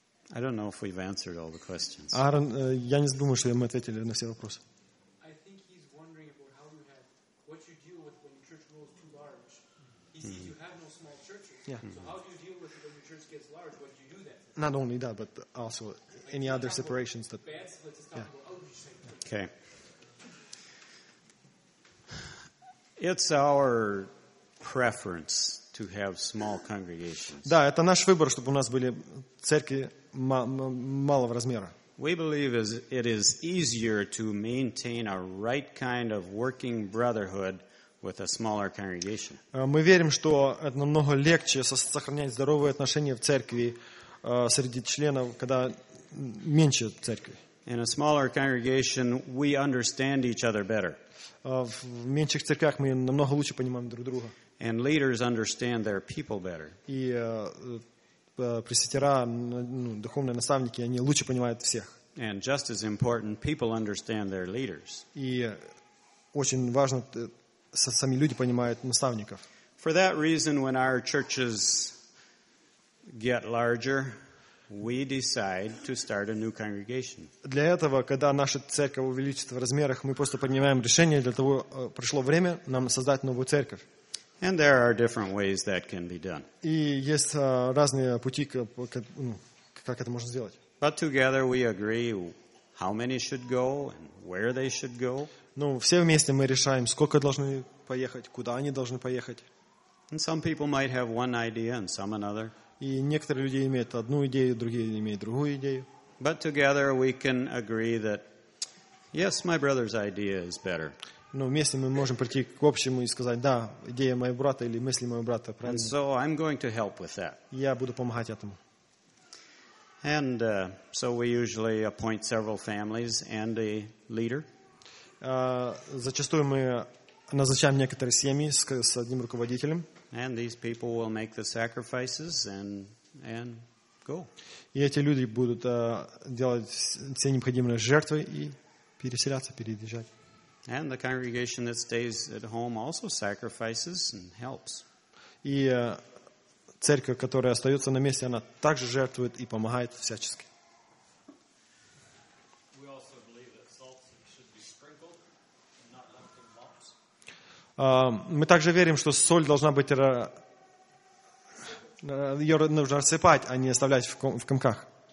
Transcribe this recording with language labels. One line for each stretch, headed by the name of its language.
English: I don't know if we've answered all the questions.
Russian: Аарон, я не думаю, что мы ответили на все вопросы.
English: I think he's wondering about how you have, what you deal with when your church grows too large. He sees you have no small churches. Yeah. So how do you deal with it when your church gets large? What do you do then? Not only that, but also any other separations that... Okay. It's our preference to have small congregations.
Russian: Да, это наш выбор, чтобы у нас были церкви малого размера.
English: We believe it is easier to maintain a right kind of working brotherhood with a smaller congregation.
Russian: Мы верим, что это намного легче сохранять здоровые отношения в церкви среди членов, когда меньше церкви.
English: In a smaller congregation, we understand each other better.
Russian: В меньших церквях мы намного лучше понимаем друг друга.
English: And leaders understand their people better.
Russian: И пресвитера, духовные наставники, они лучше понимают всех.
English: And just as important, people understand their leaders.
Russian: И очень важно, сами люди понимают наставников.
English: For that reason, when our churches get larger, we decide to start a new congregation.
Russian: Для этого, когда наша церковь увеличится в размерах, мы просто принимаем решение для того, пришло время нам создать новую церковь.
English: And there are different ways that can be done.
Russian: И есть разные пути, как это можно сделать.
English: But together we agree how many should go and where they should go.
Russian: Ну, все вместе мы решаем, сколько должны поехать, куда они должны поехать.
English: And some people might have one idea and some another.
Russian: И некоторые люди имеют одну идею, другие имеют другую идею.
English: But together we can agree that yes, my brother's idea is better.
Russian: Но вместе мы можем прийти к общему и сказать: "Да, идея моего брата или мысли моего брата правильные".
English: So I'm going to help with that.
Russian: Я буду помогать этому.
English: And so we usually appoint several families and a leader.
Russian: Зачастую мы назначаем некоторые семьи с одним руководителем.
English: And these people will make the sacrifices and go.
Russian: И эти люди будут делать все необходимые жертвы и переселяться, переезжать.
English: And the congregation that stays at home also sacrifices and helps.
Russian: И церковь, которая остается на месте, она также жертвует и помогает всячески. Мы также верим, что соль должна быть, ее нужно рассыпать, а не оставлять в комках.